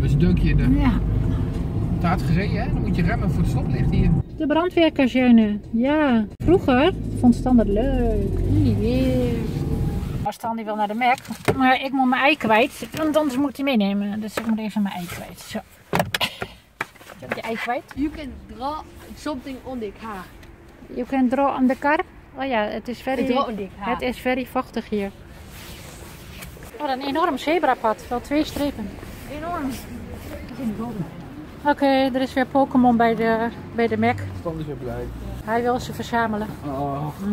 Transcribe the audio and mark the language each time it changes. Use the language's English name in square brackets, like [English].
[Dutch] Best dunkje in de. Ja. Taart gereden, hè? Dan moet je remmen voor het stoplicht hier. De brandweerkazerne, ja. Vroeger vond Stan dat leuk. Niet meer. Stan die wil naar de Mac, maar ik moet mijn ei kwijt, want anders moet hij meenemen. Dus ik moet even mijn ei kwijt. Zo. Heb je ei kwijt? [English] You can draw something on the car. You can draw on the car? [Dutch] Oh ja, het is [English] very, draw on the car. [Dutch] Het is very vochtig hier. Wat een enorm zebrapad, wel twee strepen. Enorm. Oké, er is weer Pokémon bij de Mac. Stan is weer blij. Hij wil ze verzamelen. Oh.